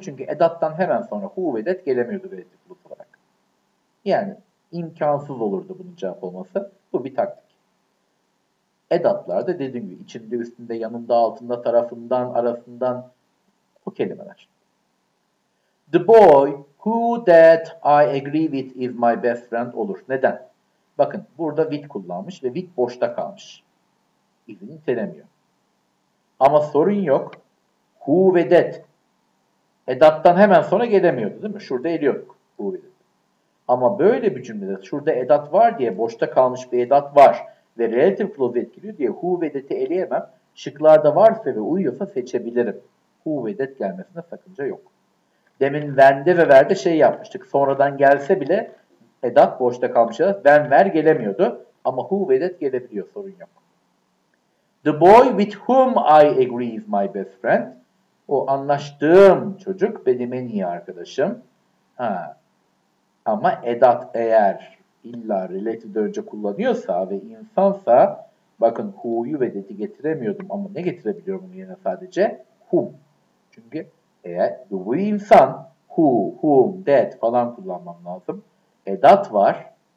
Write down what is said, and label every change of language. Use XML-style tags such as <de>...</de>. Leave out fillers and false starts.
<tr>Çünkü edattan hemen sonra who ve that gelemiyordu verecek bulut olarak. Yani imkansız olurdu bunun cevap olması. Bu bir taktik. Edatlarda dediğim gibi içinde, üstünde, yanında, altında, tarafından, arasından bu kelimeler.</tr> <en>The boy who that I agree with is my best friend</en> <tr>olur. Neden? Bakın burada with kullanmış ve with boşta kalmış. İzin nitelemiyor. Ama sorun yok. Who ve that. Edattan hemen sonra gelemiyordu değil mi? Şurada eliyorduk. Who ve that. Ama böyle bir cümlede şurada edat var diye boşta kalmış bir edat var ve relative clause etkiliyor diye who ve that'i eleyemem. Şıklarda varsa ve uyuyorsa seçebilirim. Who ve that gelmesine sakınca yok. Demin when'de ve where'de şey yapmıştık. Sonradan gelse bile edat boşta kalmış edat. When, where gelemiyordu. Ama who ve that gelebiliyor. Sorun yok.</tr> <en>The boy with whom I agree is my best friend.</en> <tr>O anlaştığım çocuk benim en iyi arkadaşım. Ha. Ama edat eğer illa relative önce kullanıyorsa ve insansa, bakın who'yu ve that'i getiremiyordum ama ne getirebiliyorum bunun yerine sadece? Whom. Çünkü eğer bu insan who, whom, that falan kullanmam lazım. Edat var.</tr>